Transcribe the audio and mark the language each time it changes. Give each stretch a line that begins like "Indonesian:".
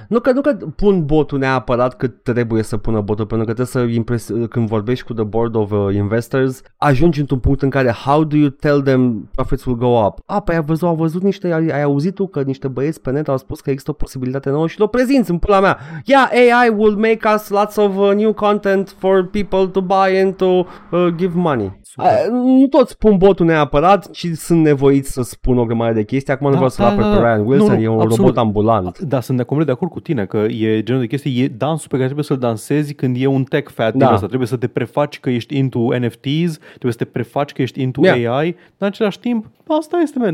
Romanian: Nu că pun botul neapărat cât trebuie să pună botul, pentru că trebuie să când vorbești cu
English: the board of investors,
Romanian: ajungi într-un punct în care
English: how do you tell them profits will go up?
Romanian: A văzut niște... Ai auzit tu că niște băieți pe net au spus că există o posibilitate nouă și l-o prezint în pula mea.
English: Yeah, AI will make us lots of new content for people to buy and to give money.
Romanian: Nu toți pun botul neapărat, ci sunt nevoiți să spun o grămadă de chestii. Acum nu vreau să-l apăr pe Ryan Wilson, nu, e un absolut. Robot ambulant. Da, sunt de acord, cu tine, că e genul de chestii, e dansul pe care trebuie să-l dansezi când e un tech fat. Da. Ăsta. Trebuie să te prefaci că ești
English: into NFTs,
Romanian: trebuie să te prefaci că ești
English: into AI,
Romanian: dar în același timp, asta este, man.